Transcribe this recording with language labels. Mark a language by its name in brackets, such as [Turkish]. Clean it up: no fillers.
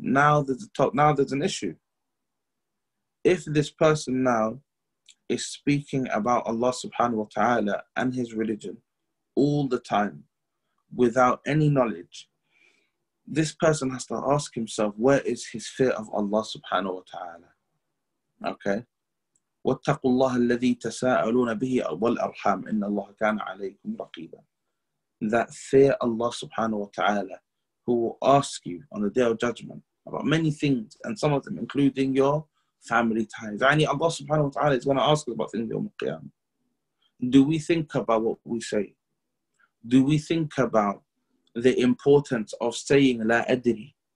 [English] Now there's an issue. If this person now is speaking about Allah subhanahu wa ta'ala and his religion all the time without any knowledge, this person has to ask himself, where is his fear of Allah subhanahu wa ta'ala? Okay? [Arabic] واتقوا الله الذي تساءلون به والأرحام إن الله كان عليكم رقيبا. [English] That fear Allah subhanahu wa ta'ala, who will ask you on the day of judgment about many things, and some of them including your family ties. يعني Allah subhanahu wa ta'ala is going to ask us about things يوم القيامة. Do we think about what we say? Do we think about the importance of saying [Arabic] لا أدري?